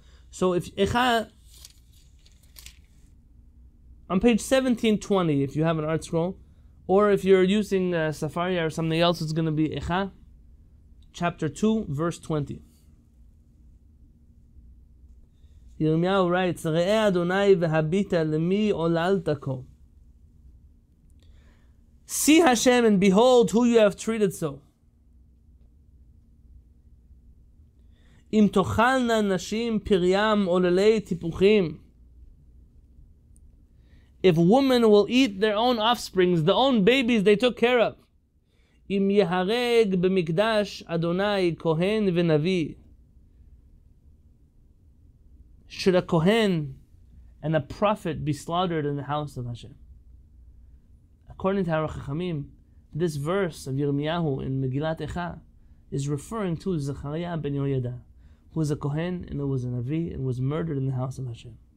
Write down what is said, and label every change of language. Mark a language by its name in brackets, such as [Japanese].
[English] so if Echa on page 1720, if you have an art scroll, or if you're using Safari or something else, it's going to be Echa chapter 2 verse 20. Yirmiyahu writes, [Hebrew] Re'e Adonai v'habita lemi olaltako. [English] See Hashem and behold who you have treated so. [Hebrew] אם תוכלנה נשים פריים עוללי טיפוחים. [English] If women will eat their own offsprings, the own babies they took care of. [Hebrew] אם יהרג במקדש אדוני כהן ונביא. [English] Should a Kohen and a prophet be slaughtered in the house of Hashem? According to Aruch HaChamim, this verse of Yirmiyahu in Megillat Echa is referring to Zechariah ben Yehoyada, who was a Kohen and who was a Navi and was murdered in the house of Hashem.